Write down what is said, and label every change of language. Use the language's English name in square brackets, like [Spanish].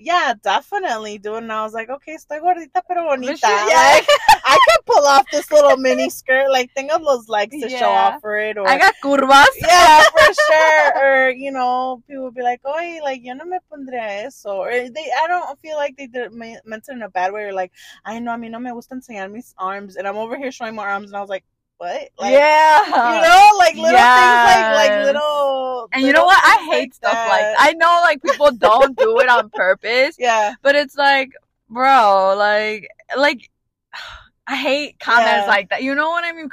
[English] Yeah, definitely. Doing, I was like, okay, [Spanish] estoy gordita pero bonita. [English] She, like, I can pull off this little mini skirt. Like, think of those legs to show off for it. Or, I got curvas. Yeah, for sure. Or, you know, people would be like, [Spanish] oye, [English] like, [Spanish] yo no me pondría eso. [English] Or they, I don't feel like they did, meant it in a bad way. Or like, I know, [Spanish] a mí no me gusta enseñar mis [English] arms. And I'm over here showing my arms. And I was like, what? Like, you know, like little things, like little, and you know what, I hate like stuff that. Like, I know, like, people don't do it on purpose, but it's like, bro, like I hate comments like that, you know what I mean?